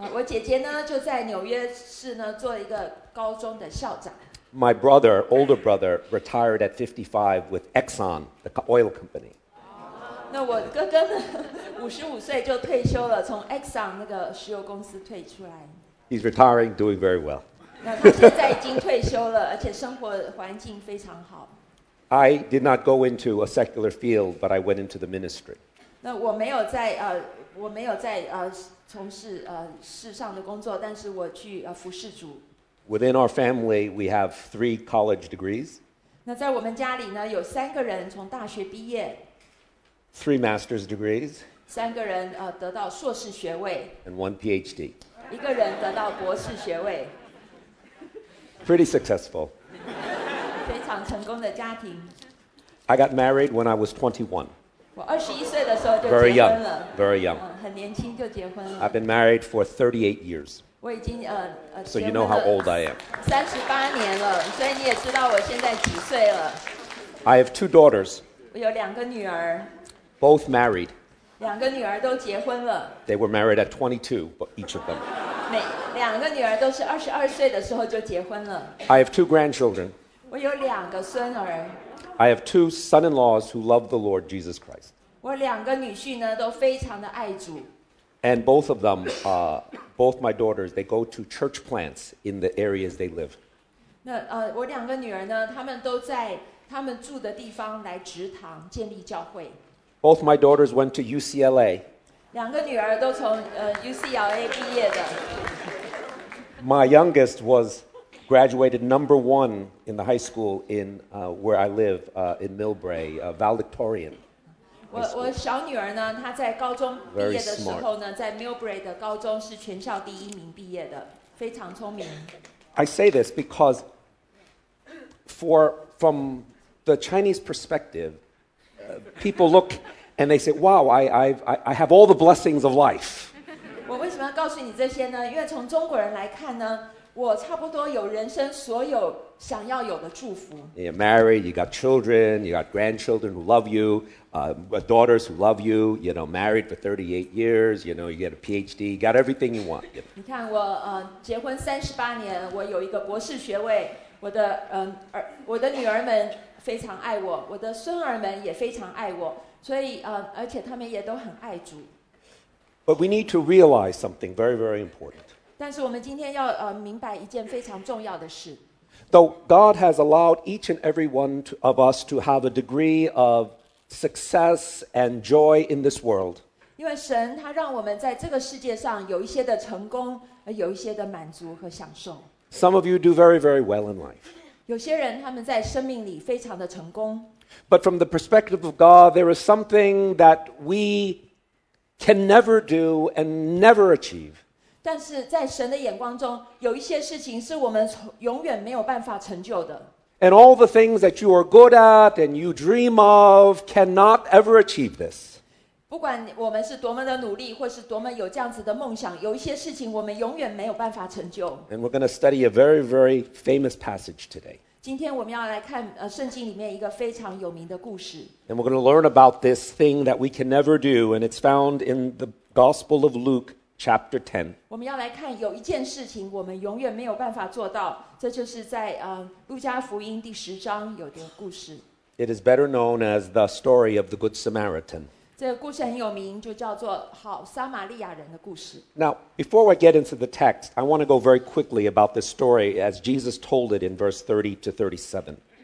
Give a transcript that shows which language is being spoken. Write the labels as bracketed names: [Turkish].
[Chinese] 我姐姐呢就在纽约市呢做一个高中的校长。 [English] My brother, older brother, retired at 55 with Exxon, the oil company. [Chinese] 那我哥哥呢，55岁就退休了，从 Exxon 那个石油公司退出来。 [English] He's retiring, doing very well. [Chinese] 那他现在已经退休了，而且生活环境非常好。 [English] I did not go into a secular field, but I went into the ministry. [Chinese] 那我没有在我没有在从事世上的工作，但是我去服侍主。 [English] Within our family, we have 3 college degrees. [Chinese] 那在我们家里呢，有三个人从大学毕业。 [English] 3 master's degrees. [Chinese] 三个人得到硕士学位。 [English] And 1 PhD. [Chinese] 一个人得到博士学位。 [English] Pretty successful. [Chinese] 非常成功的家庭。 [English] I got married when I was 21. [Chinese] 我21岁的时候就结婚了。 [English] Very young. Very young. [Chinese] 很年轻就结婚了。 [English] I've been married for 38 years. [Chinese] 我已经 [English] So you know how old I am. [Chinese] 38年了，所以你也知道我现在几岁了。 [English] I have 2 daughters. [Chinese] 我有两个女儿。 [English] Both married. [Chinese] 两个女儿都结婚了。 [English] They were married at 22, but each of them. [Chinese] 两个女儿都是22岁的时候就结婚了。 [English] I have 2 grandchildren. [Chinese] 我有两个孙儿。 [English] I have 2 son-in-laws who love the Lord Jesus Christ. [Chinese] 我两个女婿呢都非常的爱主。 [English] And both of them, both my daughters, they go to church plants in the areas they live. [Chinese] 那我两个女儿呢，她们都在她们住的地方来植堂建立教会。 [English] Both my daughters went to UCLA. [Chinese] 两个女儿都从UCLA 毕业的。 [English] My youngest was graduated number 1 in the high school in where I live in Millbrae, Valedictorian. [Chinese] 我小女儿呢，她在高中毕业的时候呢，在 Millbrae 的高中是全校第一名毕业的，非常聪明。 [English] I say this because, from the Chinese perspective, people look and they say, "Wow, I have all the blessings of life." [Chinese] 我为什么要告诉你这些呢？因为从中国人来看呢，我差不多有人生所有想要有的祝福。 [English] You're married, you got children, you got grandchildren who love you,daughters who love you, you know, married for 38 years, you know, you get a PhD, you got everything you want. You know. [Chinese] 你看我结婚38年，我有一个博士学位，我的女儿们非常爱我，我的孙儿们也非常爱我，所以而且他们也都很爱主。 [English] But we need to realize something very, very important. [Chinese] 但是我们今天要明白一件非常重要的事。 [English] Though God has allowed each and every one of us to have a degree of success and joy in this world. [Chinese] 因为神他让我们在这个世界上有一些的成功，有一些的满足和享受。 [English] Some of you do very, very well in life. [Chinese] 有些人他们在生命里非常的成功。 [English] But from the perspective of God, there is something that we can never do and never achieve. [Chinese] 但是在神的眼光中，有一些事情是我们永远没有办法成就的。 [English] And all the things that you are good at and you dream of cannot ever achieve this. [Chinese] 不管我们是多么的努力，或是多么有这样子的梦想，有一些事情我们永远没有办法成就。 [English] And we're going to study a very, very famous passage today. [Chinese] 今天我们要来看圣经里面一个非常有名的故事。 [English] And we're going to learn about this thing that we can never do, and it's found in the Gospel of Luke. Chapter 10. [Chinese] 我们要来看有一件事情我们永远没有办法做到，这就是在路加福音第十章有的故事。 [English] It is better known as the story of the Good Samaritan. [Chinese] 这个故事很有名，就叫做好撒玛利亚人的故事。 [English] Now, before I get into the text, I want to go very quickly about this story as Jesus told it in verse 30 to 37.